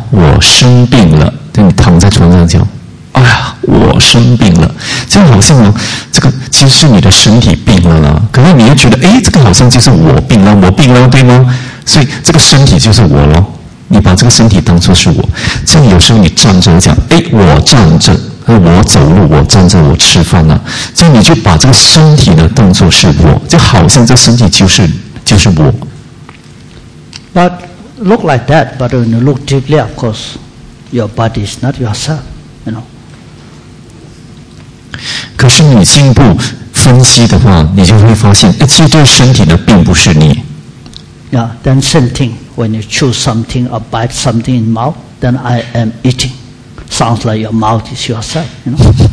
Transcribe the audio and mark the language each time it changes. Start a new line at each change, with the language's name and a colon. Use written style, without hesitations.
Chinese: 所以你根据佛像的最高的观点，其实身不是我，心也不是我。这是最高的观点了，在我们自己来看呢，有时候呢，在我们生活中，我们觉得，这个身体是我，有时候觉得，这是心啊，才是我，我们会有这样的观念呢。怎么讲呢？比如说我讲，我生病了，就你躺在床上讲。我生病了，就好像呢，这个其实是你的身体病了啦。可是你又觉得，这个好像就是我病了，我病了，对吗？所以这个身体就是我咯，你把这个身体当作是我。像有时候你站着讲，我站着，我走路，我站着，我吃饭了，就你就把这个身体呢当作是我，就好像这身体就是我。
English: But look like that, but when you look deeply, of course, your body is not yourself, you know.
Chinese: 可是你进一步分析的话，你就会发现，其实这身体呢，并不是你。
English: Yeah, then same thing. When you chew something or bite something in mouth, then I am eating. Sounds like your mouth is yourself, you know.